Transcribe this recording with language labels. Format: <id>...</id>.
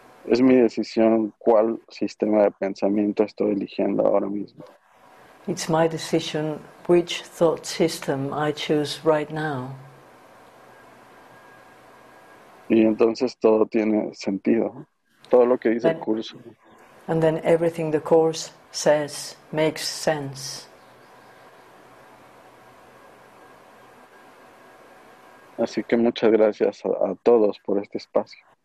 <es>Es mi decisión cuál sistema de pensamiento estoy eligiendo ahora mismo.</es> <en>It's my decision which thought system I choose right now.</en> <es>Y entonces todo tiene sentido. Todo lo que dice el curso.</es> <en>And then everything the course says makes sense.</en> <es>Así que muchas gracias a todos por este espacio.</es>